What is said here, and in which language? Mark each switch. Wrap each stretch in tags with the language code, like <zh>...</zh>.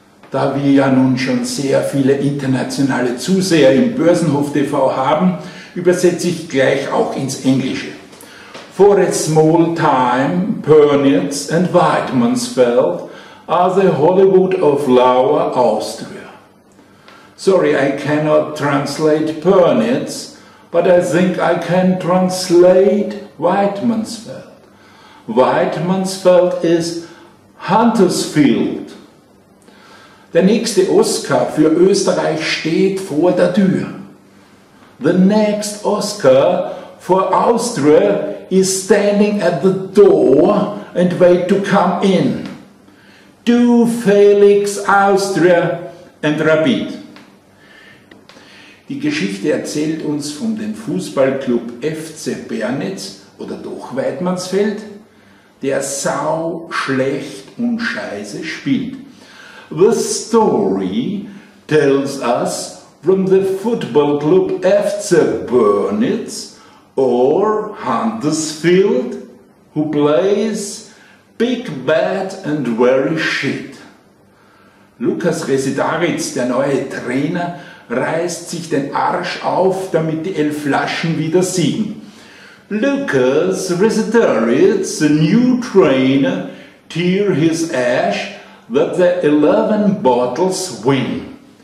<de>Da wir ja nun schon sehr viele internationale Zuseher im Börsenhof TV haben, übersetze ich gleich auch ins Englische.</de> <en>For a small time, Pernitz and Weidmannsfeld are the Hollywood of Lower Austria. Sorry, I cannot translate Pernitz, but I think I can translate Weidmannsfeld. Weidmannsfeld is Huntersfield.</en> <de>Der nächste Oscar für Österreich steht vor der Tür.</de> <en>The next Oscar for Austria is standing at the door and wait to come in. Du Felix, Austria and Rapid.</en> <de>Die Geschichte erzählt uns von dem Fußballclub FC Pernitz oder doch Weidmannsfeld, der sau schlecht und scheiße spielt.</de> <en>The story tells us from the football club FC Pernitz or Huntersfield, who plays big, bad and very shit.</en> <de>Lukas Residaritz, der neue Trainer, reißt sich den Arsch auf, damit die Elflaschen wieder siegen.</de> <en>Lukas Residaritz, the new trainer, tear his ash, that the 11 bottles win.</en>